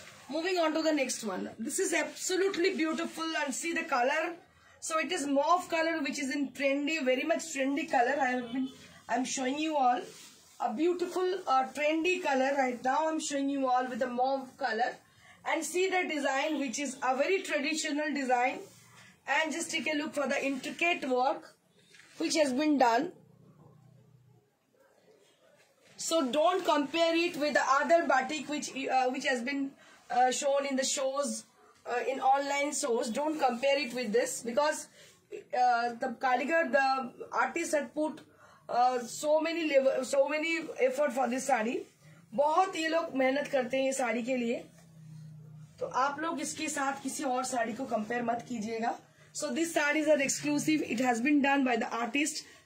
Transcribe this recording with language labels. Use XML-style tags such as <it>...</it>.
<en>Moving on to the next one, this is absolutely beautiful and see the colour, so it is mauve colour which is in trendy, very much trendy colour. I am showing you all a beautiful trendy colour right now, I am showing you all with a mauve colour and see the design which is a very traditional design. And just take a look for the intricate work which has been done. So don't compare it with the other batik which has been shown in the shows, in online shows. Don't compare it with this, because the kaligar, the artist had put so many effort for this sari.</en> <hi>बहुत ये लोग मेहनत करते हैं ये साड़ी के लिए, तो आप लोग इसके साथ किसी और साड़ी को कंपेयर मत कीजिएगा।</hi> <en>So these sarees are exclusive. It has been done by the artist.</en>